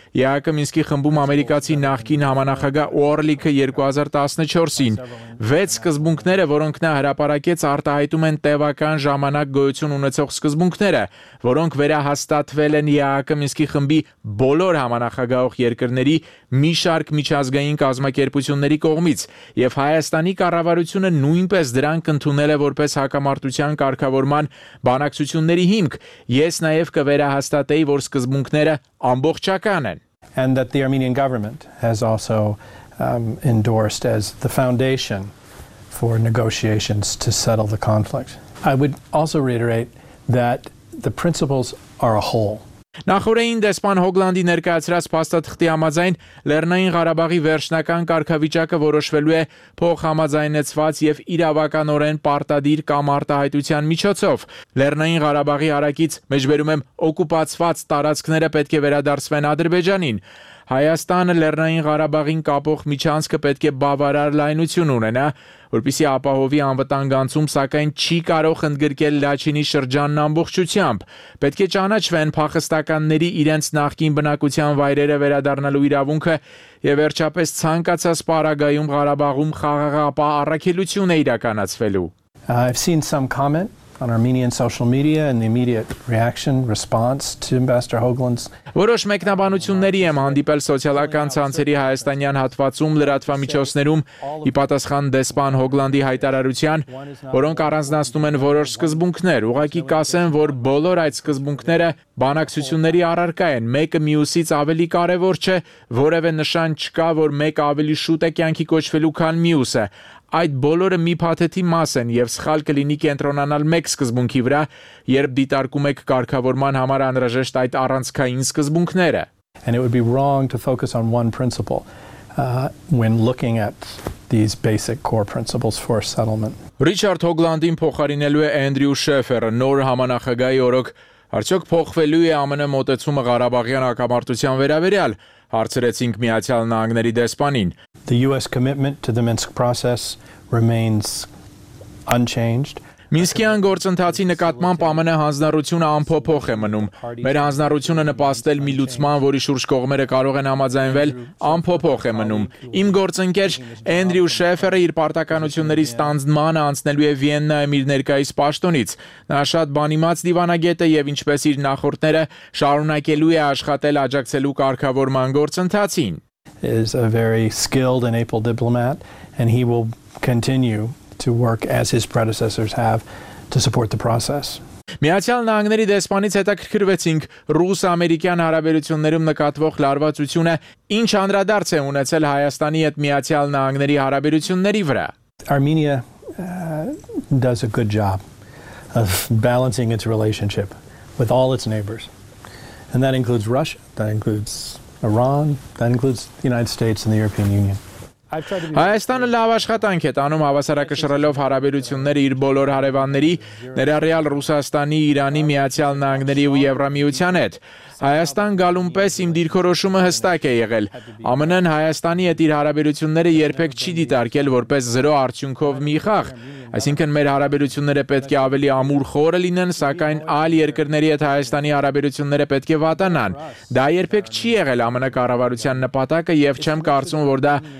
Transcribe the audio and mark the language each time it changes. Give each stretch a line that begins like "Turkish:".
Armenian: ԵԱԿ-ը Մինսկի խմբում ամերիկ Ամերիկացի նախկին համանախագահ Օրլիքը 2014-ին 6 սկզբունքները, որոնք նա հրապարակեց, արտահայտում են տևական ժամանակ գոյություն ունեցող սկզբունքները, որոնք վերահաստատվել են ԵԱԿ-ի Մինսկի խմբի բոլոր համանախագահող երկրների մի շարք միջազգային կազմակերպությունների կողմից, եւ Հայաստանի կառավարությունը նույնպես դրանք ընդունել է որպես հակամարտության կարգավորման բանակցությունների հիմք։ Ես նաեւ կվերահաստատեի, որ սկզբունքները ամբողջական են,
English: and that the Armenian government has also endorsed as the foundation for negotiations to settle the conflict. I would also reiterate that the principles are a whole.
Armenian: Նախորդին դեսպան Հոգլանդի ներկայացրած փաստաթղթի համաձայն Լեռնային Ղարաբաղի վերջնական կարգավիճակը որոշվելու է փոխհամաձայնեցված եւ իրավականորեն պարտադիր կամ արտահայտության միջոցով։ Լեռնային Ղարաբաղի հարակից մեջբերում եմ օկուպացված տարածքները պետք է վերադարձվեն Ադրբեջանին։ Հայաստանը Լեռնային Ղարաբաղին կապող միջանցքը պետք է բավարար լայնություն ունենա, որպեսզի ապահովի անվտանգանցում, սակայն չի կարող ընդգրկել Լաչինի շրջանն ամբողջությամբ։ Պետք է ճանաչվեն փախստականների իրենց նախկին բնակության վայրերը վերադառնալու իրավունքը եւ վերջապես ցանկացած պարագայում Ղարաբաղում խաղաղապահ առաքելություն է իրականացվելու։
English: I've seen some comment on Armenian social media and the immediate reaction response to Ambassador Hoagland's
Armenian: Որոշ մեկնաբանությունների եմ հանդիպել սոցիալական ցանցերի հայաստանյան հատվածում լրատվամիջոցներում՝ ի պատասխան դեսպան Հոգլանդի հայտարարության, որոնք առանձնացնում են որոշ սկզբունքներ։ Ուղղակի կասեմ, որ բոլոր այդ սկզբունքները բանակցությունների առարկա են, մեկը մյուսից ավելի կարևոր չէ, որևէ նշան չկա, որ մեկը ավելի շուտ է կյանքի կոչվելու, քան մյուսը։ Այդ բոլորը մի փաթեթի մաս են եւ սխալ կլինի կենտրոնանալ մեկ սկզբունքի վրա, երբ դիտարկում եք կարգավորման համար անհրաժեշտ այդ առանցքային սկզբունքները։
English: And it would be wrong to focus on one principle when looking at these basic core principles for settlement.
Armenian: Ռիչարդ Հոգլանդին փոխարինելու է Անդրիու Շեֆերը, նոր համանախագահի օրոք արդյոք փոխվելու է ԱՄՆ մոտեցումը Ղարաբաղյան հակամարտության վերաբերյալ, հարցրեցինք Միացյալ Նահանգների դեսպանին։
English: The US commitment to the Minsk process remains unchanged.
Armenian: Մինսկյան գործընթացի նկատմամբ ԱՄՆ հանձնառությունը անփոփոխ է մնում։ Մեր հանձնառությունը նպաստել մի լուծման, որի շուրջ կողմերը կարող են համաձայնվել, անփոփոխ է մնում։ Իմ գործընկեր Անդրիու Շեֆերը իր պարտականությունների ստանձնմանը անցնելու է Վիեննայում իր ներկայիս պաշտոնից։ Նա շատ բան իմաց դիվանագետ է եւ ինչպես իր նախորդները շարունակելու է աշխատել աջակցելու կարգավորման գործընթացին։
English: Is a very skilled and able diplomat and he will continue to work as his predecessors have to support the process.
Armenian: Միացյալ Նահանգների դեսպանից հետաքրքրվեցինք ռուս-ամերիկյան հարաբերություններում նկատվող լարվածությունը ինչ անդրադարձ է ունեցել Հայաստանի հետ Միացյալ Նահանգների հարաբերությունների վրա։
English: Armenia does a good job of balancing its relationship with all its neighbors. And that includes Russia, that includes Iran, that includes the United States and the European Union.
Armenian: Հայաստանը լավ աշխատանք է տանում հավասարակշռելով հարաբերությունները իր բոլոր հարևանների, ներառյալ Ռուսաստանի, Իրանի, Միացյալ Նահանգների ու Եվրամիության հետ։ Հայաստան գալուն պես իմ դիրքորոշումը հստակ է եղել։ ԱՄՆ-ն Հայաստանի հետ իր հարաբերությունները երբեք չի դիտարկել որպես զրո արդյունքով մի խաղ։ Այսինքն մեր հարաբերությունները պետք է ավելի ամուր խորը լինեն, սակայն այլ երկրների հետ Հայաստանի հարաբերությունները պետք է վատանան։ Դա երբեք չի եղել ԱՄՆ կառավարության նպատակը եւ չեմ կարծում, որ դա